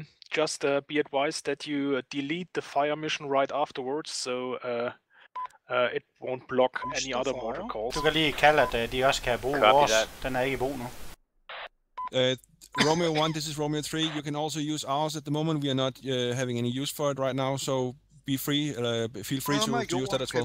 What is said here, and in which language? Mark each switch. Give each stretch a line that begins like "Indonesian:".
English: Just be advised that you delete the fire mission right afterwards, so it won't block any other mortar calls.
Danish: Du kan lige kalde, at de også kan bruge vores. Den er ikke i brug nu.
English: Romeo 1, this is Romeo 3. You can also use ours at the moment. We are not having any use for it right now, so be free, feel free to use that as well.